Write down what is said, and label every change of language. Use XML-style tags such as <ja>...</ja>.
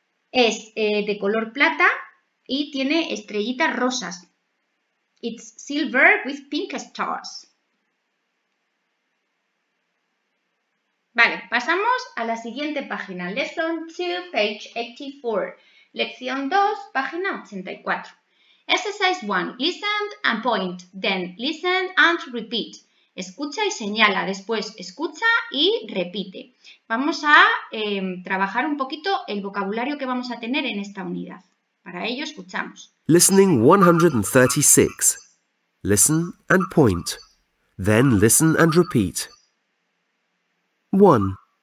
<es>Es de color plata y tiene estrellitas rosas.</es> <en>It's silver with pink stars.</en> <es>Vale, pasamos a la siguiente página,</es> <en>Lesson 2, page 84,</en> <es>lección 2, página 84.</es> <en>Exercise 1, listen and point, then listen and repeat.</en> <es>Escucha y señala, después escucha y repite. Vamos a trabajar un poquito el vocabulario que vamos a tener en esta unidad. Para ello, escuchamos.</es> <en>Listening 136, listen and point, then listen and repeat. 1.</en>